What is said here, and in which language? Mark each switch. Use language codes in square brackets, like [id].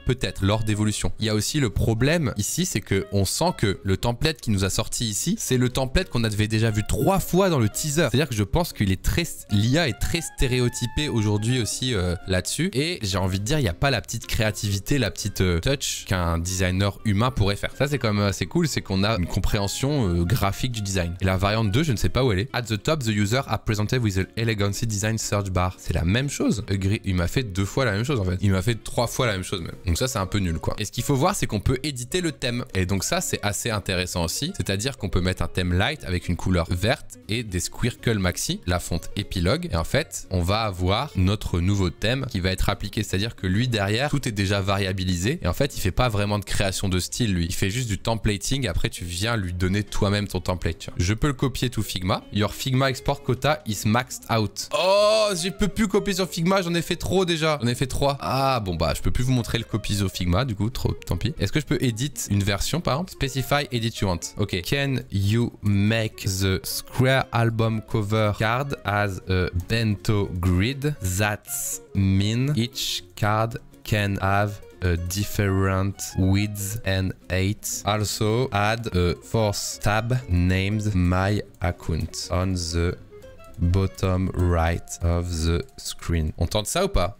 [fr] Peut-être, lors d'évolution. Il y a aussi le problème ici, c'est que on sent que le template qui nous a sorti ici, c'est le template qu'on avait déjà vu 3 fois dans le teaser. C'est-à-dire que je pense qu'il est très... L'IA est très stéréotypée aujourd'hui aussi là-dessus. Et j'ai envie de dire, il n'y a pas la petite créativité, la petite touch qu'un designer humain pourrait faire. Ça, c'est quand même assez cool, c'est qu'on a une compréhension graphique du design. Et la variante 2, je ne sais pas où elle est. [en] At the top, the user are presented with an elegancy design search bar. [fr] C'est la même chose. Agree. Il m'a fait 2 fois la même chose en fait. Il m'a fait 3 fois la même chose même. Donc ça, c'est un peu nul quoi. Et ce qu'il faut voir, c'est qu'on peut éditer le thème. Et donc ça, c'est assez intéressant aussi. C'est-à-dire qu'on peut mettre un thème light avec une couleur verte et des squircle maxi, la fonte épilogue. Et en fait, on va avoir notre nouveau thème qui va être appliqué. C'est-à-dire que lui, derrière, tout est déjà variabilisé. Et en fait, il fait pas vraiment de création de style, lui. Il fait juste du templating. Après, tu viens lui donner toi-même ton template. Tu vois. Je peux le copier tout Figma. [en] Your Figma export quota is maxed out. [fr] Oh, je peux plus copier sur Figma. J'en ai fait trop déjà. J'en ai fait 3. Ah, bon, bah, je peux plus vous montrer le copy sur Figma. Du coup, trop, tant pis. Est-ce que je peux edit une version, par exemple? [en] Specify edit you want. Ok. Can you make the square album cover card as a bento grid? That's mean each card can have a different width and height. Also add a fourth tab named my account on the bottom right of the screen. [fr] On tente ça ou pas?